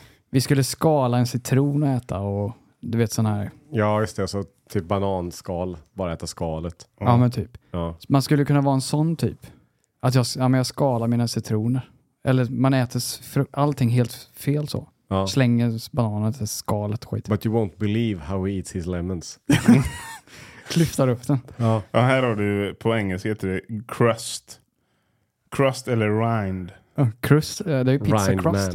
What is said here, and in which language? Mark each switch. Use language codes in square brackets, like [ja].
[sv] Vi skulle skala en citron och äta och du vet sån här. Ja, just det. Så typ bananskal. Bara äta skalet. Mm. Ja, men typ. Ja. Man skulle kunna vara en sån typ. Att jag skalar mina citroner. Eller man äter allting helt fel så. Ja. Slänger bananen till skalet och skit. [en] But you won't believe how he eats his lemons. [sv] Klyftar upp den. Ja. Ja, här har du på engelska heter det crust. Crust eller rind. Crust, det är ju pizza rind crust.